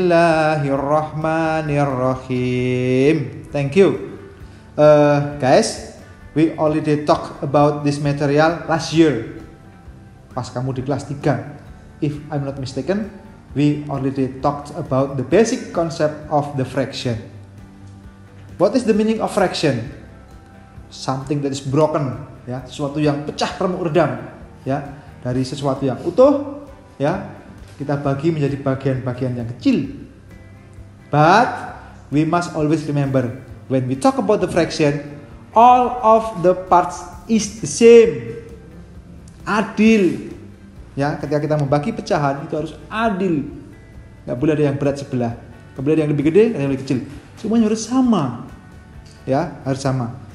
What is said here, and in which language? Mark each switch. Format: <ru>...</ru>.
<en>Bismillahirrahmanirrahim. Thank you. Guys, we already talk about this material last year.</en> <id>Pas kamu di kelas 3.</id> <en>If I'm not mistaken, we already talked about the basic concept of the fraction. What is the meaning of fraction? Something that is broken,</en> <id>ya, sesuatu yang pecah, remuk, redam, ya, dari sesuatu yang utuh, ya, kita bagi menjadi bagian-bagian yang kecil.</id> <en>But we must always remember, when we talk about the fraction, all of the parts is the same.</en> <id>Adil, ya, ketika kita membagi pecahan itu harus adil. Gak boleh ada yang berat sebelah, gak boleh ada yang lebih gede, ada yang lebih kecil. Semuanya harus sama. Ya, harus sama.</id>